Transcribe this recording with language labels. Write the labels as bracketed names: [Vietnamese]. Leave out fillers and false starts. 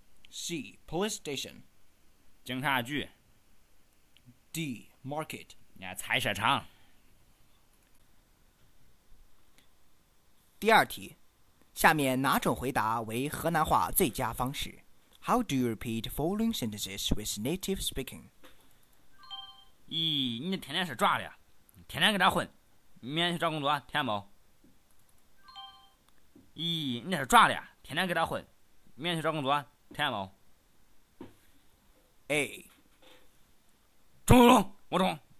[English] C. Police station. [Chinese] 警察局。 [English] D. Market [Chinese] 菜市场。第二题，下面哪种回答为河南话最佳方式？ [English] How do you repeat following sentences with native speaking? [Chinese] 咦，你天天是抓的，天天跟他混，明天去找工作，听见不？咦，你是抓的，天天跟他混，明天去找工作，听见不？ A. 中龙我中。